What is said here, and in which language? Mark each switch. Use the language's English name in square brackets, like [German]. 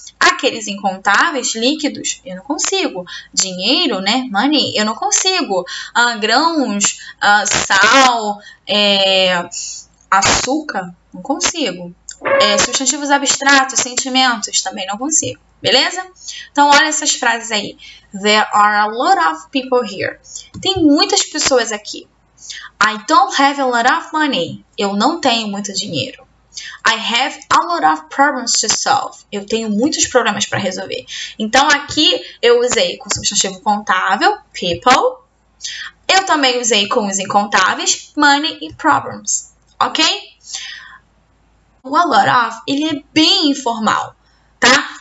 [Portuguese] Aqueles incontáveis, líquidos, eu não consigo. Dinheiro, né? Money, eu não consigo. Grãos, sal, açúcar, não consigo. Substantivos abstratos, sentimentos, também não consigo. Beleza? Então, olha essas frases aí. [English] There are a lot of people here. [Portuguese] Tem muitas pessoas aqui. [English] I don't have a lot of money. [Portuguese] Eu não tenho muito dinheiro. [English] I have a lot of problems to solve. [Portuguese] Eu tenho muitos problemas para resolver. Então, aqui eu usei com substantivo contável, people. Eu também usei com os incontáveis, money e problems. Ok? O a lot of, ele é bem informal, tá?